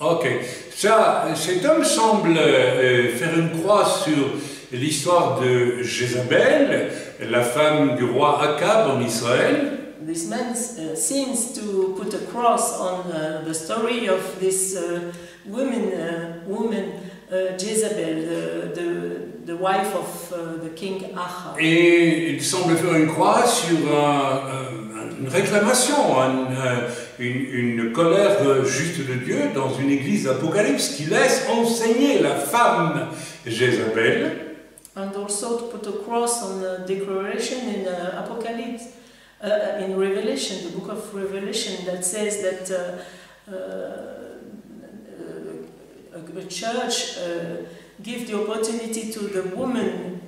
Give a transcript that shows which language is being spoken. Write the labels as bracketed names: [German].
[French] Ok, ça, cet homme semble faire une croix sur l'histoire de Jézabel, la femme du roi Achab en Israël. [English] This man seems to put a cross on the story of this woman. Jezebel, the wife of the king Ahab. [French] Et il semble faire une croix sur une réclamation, une colère juste de Dieu dans une église d'Apocalypse qui laisse enseigner la femme Jezebel. [English] And also to put a cross on the declaration in Apocalypse, in Revelation, the book of Revelation, that says that. A church give the opportunity to the woman